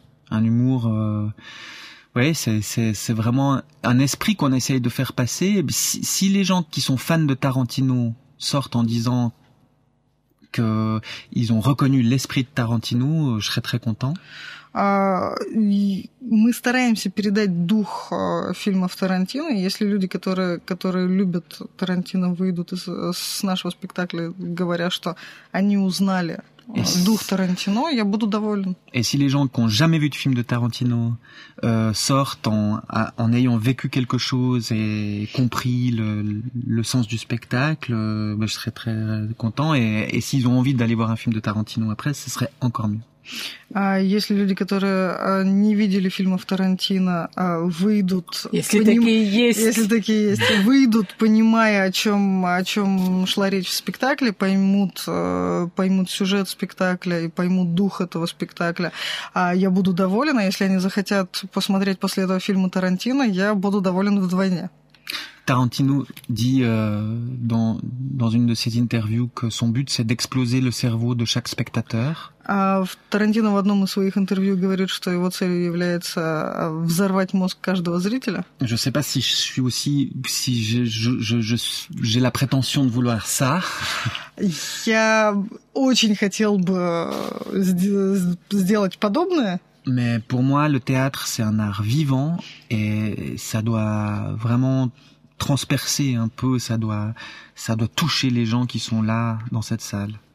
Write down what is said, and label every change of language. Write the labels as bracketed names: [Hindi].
[French] Un humour. Oui, c'est vraiment un esprit qu'on essaye de faire passer. Si les gens qui sont fans de Tarantino sortent en disant qu'ils ont reconnu l'esprit de Tarantino, je serais très content. [Russian] Мы стараемся передать дух фильмов Тарантино. Если люди, которые любят Тарантино, выйдут с нашего спектакля, говоря, что они узнали дух Тарантино, я буду доволен. [French] Et si les gens qui ont jamais vu de film de Tarantino sortent en ayant vécu quelque chose et compris le sens du spectacle, ben je serais très content. Et s'ils ont envie d'aller voir un film de Tarantino après, ce serait encore mieux. [Russian] Если люди, которые не видели фильмов Тарантино, выйдут, если такие есть, выйдут, понимая, о чем шла речь в спектакле, поймут сюжет спектакля и поймут дух этого спектакля, я буду доволен. Если они захотят посмотреть после этого фильма Тарантино, я буду доволен вдвойне. [French] Tarantino dit dans une de ses interviews que son but c'est d'exploser le cerveau de chaque spectateur. [Russian] Tarantino в одном из своих интервью говорит, что его целью является взорвать мозг каждого зрителя. [French] Je sais pas si je suis aussi si j'ai la prétention de vouloir ça. [Russian] Я очень хотел бы сделать подобное. [French] Mais pour moi le théâtre c'est un art vivant et ça doit vraiment transpercer un peu, ça doit toucher les gens qui sont là dans cette salle.